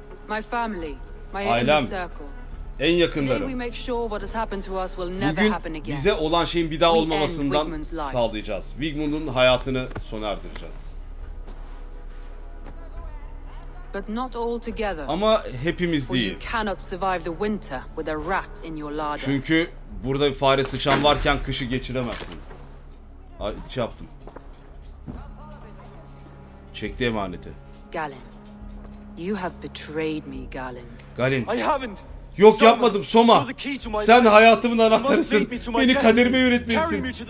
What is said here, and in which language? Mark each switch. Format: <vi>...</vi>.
<en>My family, my</en> <tr>ailem,</tr> <en>circle.</en> <tr>En yakınlarım.</tr> <en>Today we make sure what has happened to us will never</en> <tr>bugün</tr> <en>happen again.</en> <tr>Bize olan şeyin bir daha olmamasından sağlayacağız. Wigmund'un hayatını sona erdireceğiz.</tr> <en>But not all together.</en> <tr>Ama hepimiz değil.</tr> <en>You cannot survive the winter with a rat in your larder.</en> <tr>Çünkü burada bir fare sıçan varken kışı geçiremezsin. Ay, şey yaptım. Çekti emaneti. Galen.</tr> <en>You have betrayed me, Galen. Galen. I haven't.</en> <tr>Yok Soma, yapmadım Soma. Sen hayatımın anahtarısın. Beni kaderime yönetmelisin.</tr>